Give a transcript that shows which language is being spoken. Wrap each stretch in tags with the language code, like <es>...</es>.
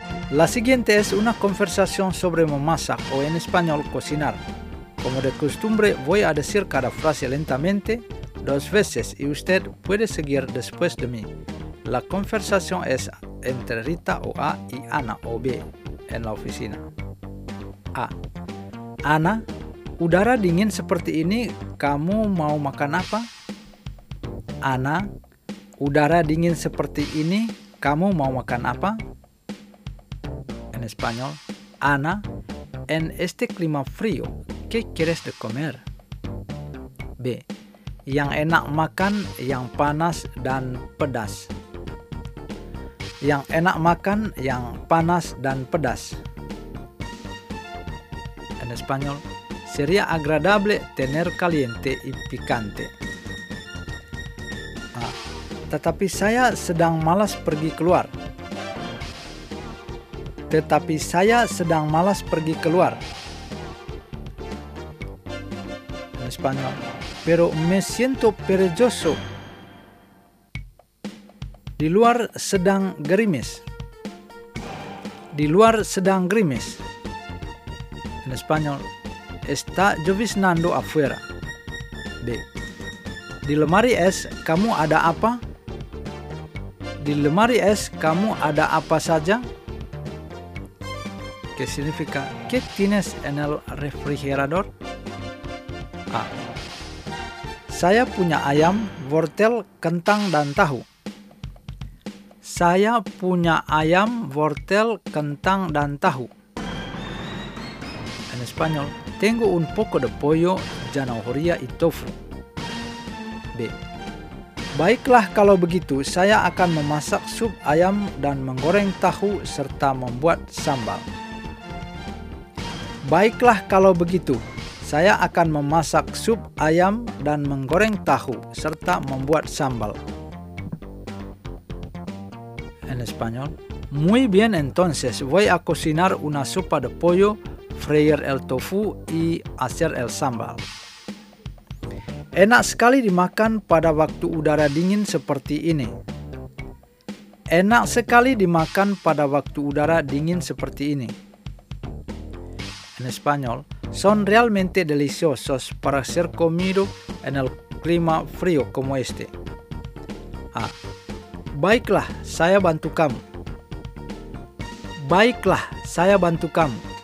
<es>La siguiente es una conversación sobre memasak o en español cocinar. Como de costumbre, voy a decir cada frase lentamente dos veces y usted puede seguir después de mí. La conversación es entre Rita o A y Ana o B en la oficina. A.</es> <id>Ana, udara dingin seperti ini, kamu mau makan apa? Ana, udara dingin seperti ini, kamu mau makan apa?</id> <es>En español, Ana, en este clima frío, ¿qué quieres de comer? B.</es> <id>Yang enak makan, yang panas dan pedas. Yang enak makan, yang panas dan pedas.</id> <es>En español, sería agradable tener caliente y picante.</es> <id>A. Tetapi saya sedang malas pergi keluar. Tetapi saya sedang malas pergi keluar.</id> <es>En español, pero me siento perezoso.</es> <id>Di luar sedang gerimis. Di luar sedang gerimis.</id> <es>En español, está lloviznando afuera. B.</es> <id>Di lemari es, kamu ada apa? Di lemari es, kamu ada apa saja?</id> <es>¿Qué significa? ¿Qué tienes en el refrigerador? A.</es> <id>Saya punya ayam, wortel, kentang, dan tahu. Saya punya ayam, wortel, kentang, dan tahu.</id> <es>En español, tengo un poco de pollo, zanahoria, y tofu.</es> <id>B. Baiklah kalau begitu, saya akan memasak sup ayam dan menggoreng tahu serta membuat sambal. Baiklah kalau begitu, saya akan memasak sup ayam dan menggoreng tahu serta membuat sambal.</id> <es>En español, muy bien entonces, voy a cocinar una sopa de pollo, freír el tofu y hacer el sambal.</es> <id>Enak sekali dimakan pada waktu udara dingin seperti ini. Enak sekali dimakan pada waktu udara dingin seperti ini.</id> <es>En español, son realmente deliciosos para ser comido en el clima frío como este. A.</es> <id>Baiklah, saya bantu kamu. Baiklah, saya bantu kamu.</id>